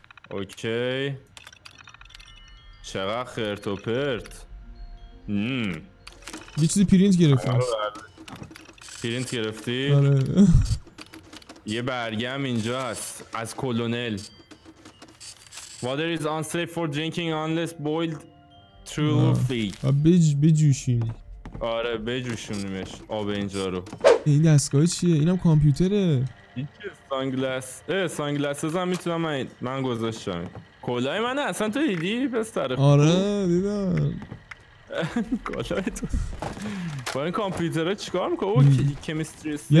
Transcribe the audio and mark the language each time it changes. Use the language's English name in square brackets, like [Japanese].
[Persian] اوکی چقدر خرت و پرت. یه چیزی پرینت گرفتم. پرینت گرفتی؟ آره. یه برگم اینجا هست از کلونل. [English] Water is unsafe for drinking unless boiled truly. [Persian] بجوشیم. آره بجوشونیمش آب اینجا رو. این دستگاه چیه؟ اینم کامپیوتره. سانگلس سانگلسز هم میتونم من گذاشتم. کلاه منه اصلا تو دیدی پس طرف. آره دیدم کلاه تو با این کامپیوتره چیکار میکنه؟ اوه کمیستری استیشن